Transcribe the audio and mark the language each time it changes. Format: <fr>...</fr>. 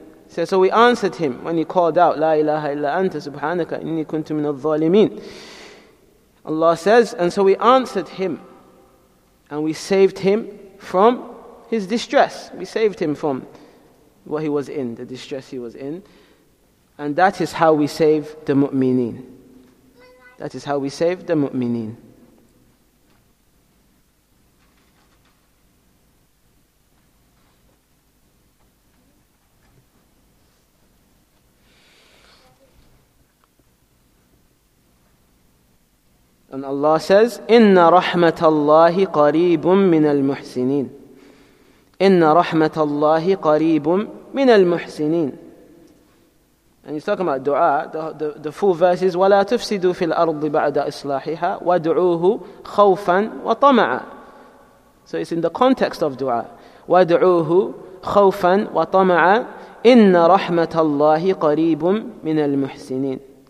<en>So we answered him when he called out,</en> <ar>لا إله إلا أنت سبحانك إني كنت من الظالمين.</ar> <en>Allah says, and so we answered him and we saved him from his distress. We saved him from what he was in, the distress he was in. And that is how we save the مؤمنين. That is how we save the مؤمنين. And Allah says,</en> <ar>إِنَّ رَحْمَةَ اللَّهِ قَرِيبٌ مِّنَ الْمُحْسِنِينَ إِنَّ رَحْمَةَ اللَّهِ قَرِيبٌ مِّنَ الْمُحْسِنِينَ.</ar> <en>And he's talking about dua. The full verse is,</en> <ar>وَلَا تُفْسِدُوا فِي الْأَرْضِ بَعْدَ إِصْلَاحِهَا وَادْعُوهُ خَوْفًا وَطَمَعًا.</ar> <en>So it's in the context of dua.</en> <ar>وَادْعُوهُ خَوْفًا وَطَمَعًا إِنَّ رَحْمَةَ اللَّهِ قَرِيبٌ مِّنَ الْمُحْسِنِينَ.</ar>